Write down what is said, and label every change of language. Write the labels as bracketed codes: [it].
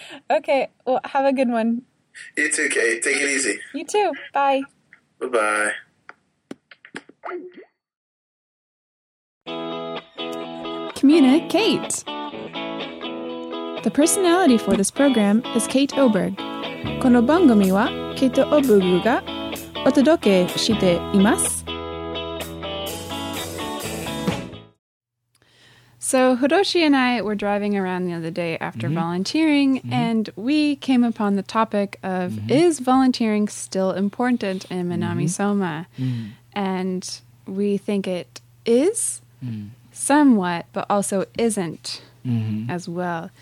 [en] Okay. Well, have a good one. You too, Kate. Take it easy. You too. Bye. Bye-bye. Communicate. The personality for this program is Kate Oberg. [ja] この番組はケイト・オブグがお届けしています。 [en] So Hiroshi and I were driving around the other day after volunteering, and we came upon the topic of is volunteering still important in Minami Soma? And we think it is somewhat, but also isn't as well.